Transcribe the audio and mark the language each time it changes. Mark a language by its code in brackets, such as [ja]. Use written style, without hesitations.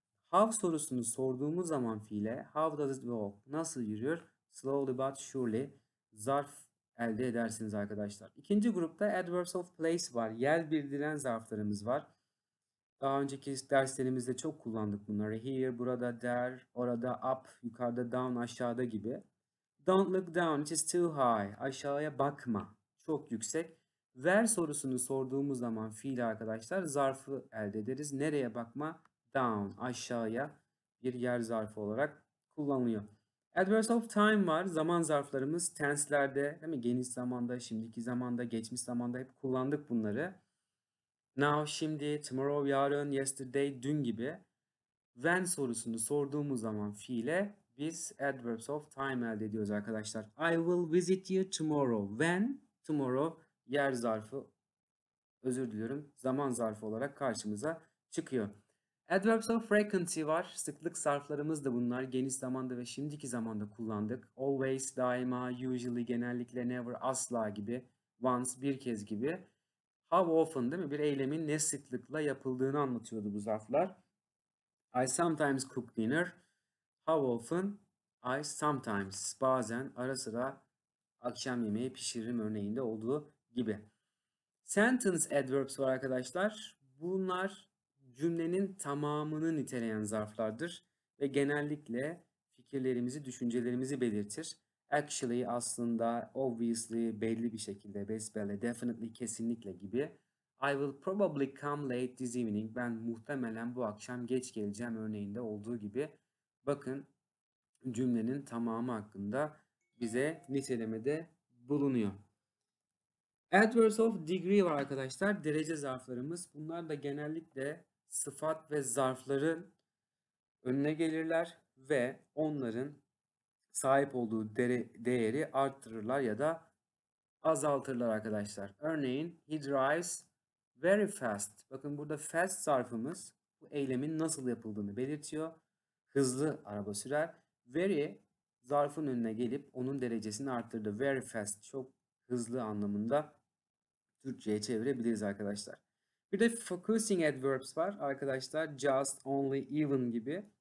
[tr] How sorusunu sorduğumuz zaman fiile, how does it walk, nasıl yürür, slowly but surely, zarf elde edersiniz arkadaşlar. İkinci grupta adverbs of place var, yer bildiren zarflarımız var. Daha önceki derslerimizde çok kullandık bunları. Here, burada, there, orada, up, yukarıda, down, aşağıda gibi. [en] Don't look down, it is too high. [tr] Aşağıya bakma, çok yüksek. Where sorusunu sorduğumuz zaman fiil arkadaşlar zarfı elde ederiz. Nereye bakma? Down, aşağıya bir yer zarfı olarak kullanılıyor. Adverbs of time var. Zaman zarflarımız tenslerde, değil mi? Geniş zamanda, şimdiki zamanda, geçmiş zamanda hep kullandık bunları. Now, şimdi, tomorrow, yarın, yesterday, dün gibi. When sorusunu sorduğumuz zaman fiile biz adverbs of time elde ediyoruz arkadaşlar. [en] I will visit you tomorrow. When? [tr] Tomorrow yer zarfı, özür diliyorum, zaman zarfı olarak karşımıza çıkıyor. Adverbs of frequency var. Sıklık zarflarımız da bunlar. Geniş zamanda ve şimdiki zamanda kullandık. Always, daima, usually, genellikle, never, asla gibi. Once, bir kez gibi. How often, değil mi? Bir eylemin ne sıklıkla yapıldığını anlatıyordu bu zarflar. [en] I sometimes cook dinner. How often? I sometimes. [tr] Bazen, ara sıra akşam yemeği pişiririm örneğinde olduğu gibi. Sentence adverbs var arkadaşlar. Bunlar cümlenin tamamını niteleyen zarflardır. Ve genellikle fikirlerimizi, düşüncelerimizi belirtir. Actually, aslında, obviously, belli bir şekilde, besbelli, definitely, kesinlikle gibi. [en] I will probably come late this evening. [tr] Ben muhtemelen bu akşam geç geleceğim örneğinde olduğu gibi. Bakın, cümlenin tamamı hakkında bize nitelemede bulunuyor. Adverbs of degree var arkadaşlar. Derece zarflarımız. Bunlar da genellikle sıfat ve zarfların önüne gelirler ve onların sahip olduğu değeri arttırırlar ya da azaltırlar arkadaşlar. [en] Örneğin, he drives very fast. [tr] Bakın burada fast zarfımız bu eylemin nasıl yapıldığını belirtiyor. Hızlı araba sürer. Very zarfın önüne gelip onun derecesini arttırdı. Very fast, çok hızlı anlamında Türkçe'ye çevirebiliriz arkadaşlar. Bir de focusing adverbs var arkadaşlar. Just, only, even gibi.